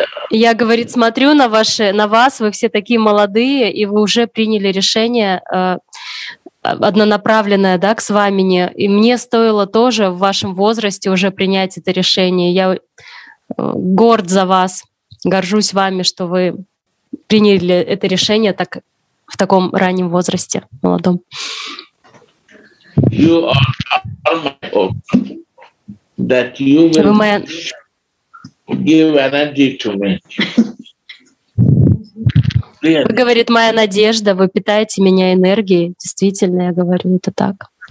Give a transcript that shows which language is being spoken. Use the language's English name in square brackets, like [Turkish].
[Russian] Я, говорит, смотрю на ваши, на вас, вы все такие молодые, и вы уже приняли решение однонаправленное, да, к Свамине, и мне стоило тоже в вашем возрасте уже принять это решение. Я горд за вас, горжусь вами, что вы приняли это решение так, в таком раннем возрасте, молодом. [English] You are my hope that you will give energy to me. [Russian] Вы, говорит, моя надежда, вы питаете меня энергией. Действительно, я говорю, это так.